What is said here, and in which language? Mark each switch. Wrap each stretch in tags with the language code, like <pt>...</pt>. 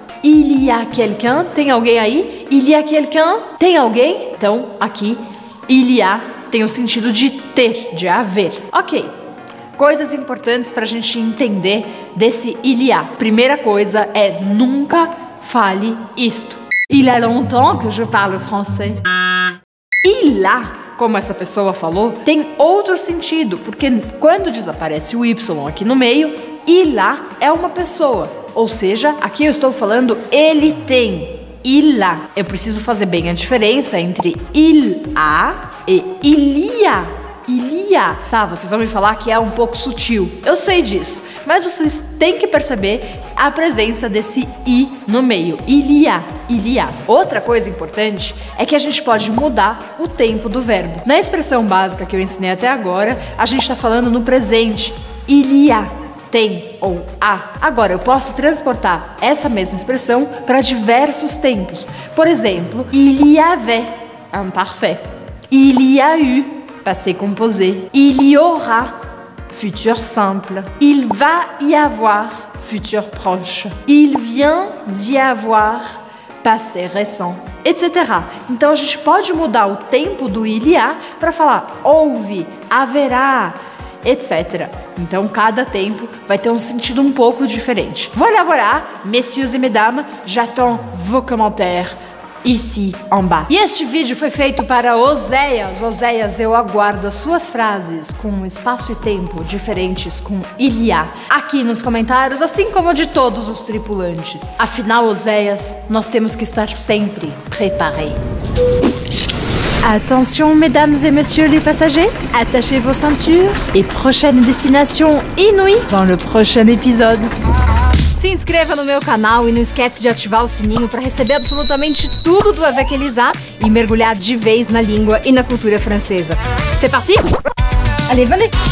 <fr>Il y a quelqu'un?</fr> <pt>Tem alguém aí?</pt> <fr>Il y a quelqu'un?</fr> <pt>Tem alguém? Então, aqui, il y a tem o sentido de ter, de haver. Ok, coisas importantes para a gente entender desse il y a. Primeira coisa é nunca fale isto.</pt> <fr>Il y a longtemps que je parle français.</fr> <pt>Il y a, como essa pessoa falou, tem outro sentido, porque quando desaparece o Y aqui no meio, il y a é uma pessoa. Ou seja, aqui eu estou falando ele tem, il a. Eu preciso fazer bem a diferença entre il a e il y a, il y a. Tá, vocês vão me falar que é um pouco sutil. Eu sei disso, mas vocês têm que perceber a presença desse i no meio, il y a, il y a. Outra coisa importante é que a gente pode mudar o tempo do verbo. Na expressão básica que eu ensinei até agora, a gente está falando no presente, il y a. Tem ou há. Agora, eu posso transportar essa mesma expressão para diversos tempos. Por exemplo,</pt> <fr>il y avait, imparfait. Il y a eu, passé composé. Il y aura, futur simple. Il va y avoir, futur proche. Il vient d'y avoir, passé récent, etc.</fr> <pt>Então, a gente pode mudar o tempo do il y a para falar houve, haverá, etc. Então, cada tempo vai ter um sentido um pouco diferente.</pt> <fr>Voilà, voilà, messieurs et mesdames, j'attends vos commentaires ici, en bas.</fr> <pt>E este vídeo foi feito para Oséias. Oséias, eu aguardo as suas frases com espaço e tempo diferentes com il y a aqui nos comentários, assim como de todos os tripulantes. Afinal, Oséias, nós temos que estar sempre preparés.</pt> <fr>Attention, mesdames et messieurs les passagers, attachez vos ceintures et prochaine destination inouïe dans le prochain épisode.</fr> <pt>Se inscreva no meu canal e não esquece de ativar o sininho para receber absolutamente tudo do Avec Elisa e mergulhar de vez na língua e na cultura francesa.</pt> <fr>C'est parti? Allez, venez!</fr>